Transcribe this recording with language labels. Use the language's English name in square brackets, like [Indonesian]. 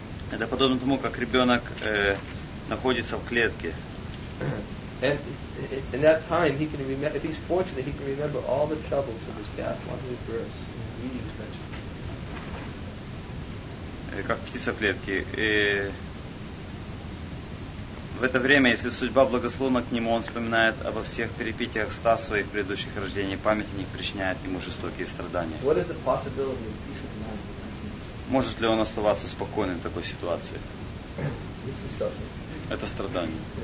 [Russian] Это подобно тому, как ребенок находится в клетке. [English] And in that time he can remember, if he's fortunate, he can remember all the troubles of his past 100 births. We just mentioned. [Russian] Как птица в клетке. В это время, если судьба благосклонна к нему, он вспоминает обо всех перипетиях 100 своих предыдущих рождений, память о них причиняет ему жестокие страдания. [English] What is the possibility of peace of mind? [Russian] Может ли он оставаться спокойным в такой ситуации? Это страдание.